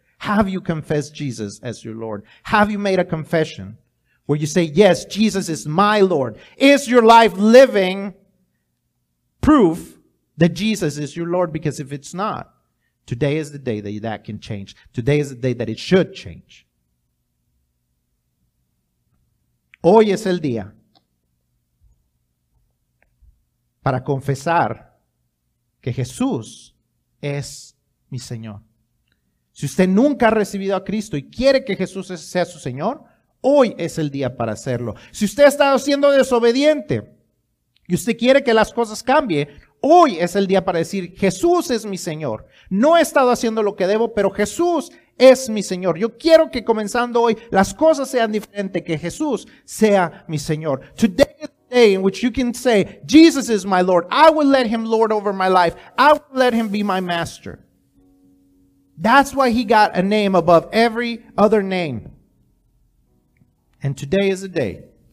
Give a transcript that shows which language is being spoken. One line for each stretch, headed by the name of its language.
English: Have you confessed Jesus as your Lord? Have you made a confession where you say, yes, Jesus is my Lord? Is your life living proof that Jesus is your Lord? Because if it's not, today is the day that that can change. Today is the day that it should change.
Spanish: Hoy es el día para confesar que Jesús es mi Señor. Si usted nunca ha recibido a Cristo y quiere que Jesús sea su Señor, hoy es el día para hacerlo. Si usted ha estado siendo desobediente y usted quiere que las cosas cambien, hoy es el día para decir, Jesús es mi Señor. No he estado haciendo lo que debo, pero Jesús es mi Señor. Yo quiero que comenzando hoy las cosas sean diferentes, que Jesús sea mi Señor.
English: Today is the day in which you can say, Jesus is my Lord. I will let Him Lord over my life. I will let Him be my Master. That's why He got a name above every other name. And today is the day.